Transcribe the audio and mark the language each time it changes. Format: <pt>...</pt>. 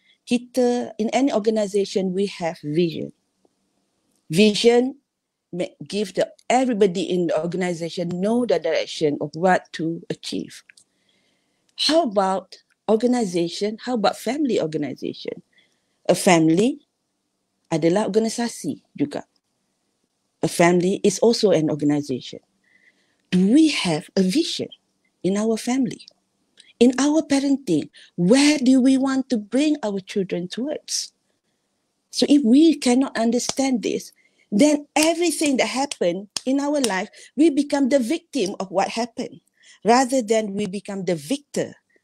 <en>In any organization, we have vision. Vision give everybody in the organization know the direction of what to achieve. How about organization? How about family organization?</en> <id>A family adalah organisasi juga.</id> <en>A family is also an organization. Do we have a vision in our family? In our parenting, where do we want to bring our children towards? So if we cannot understand this, then everything that happened in our life, we become the victim of what happened rather than we become the victor.</en>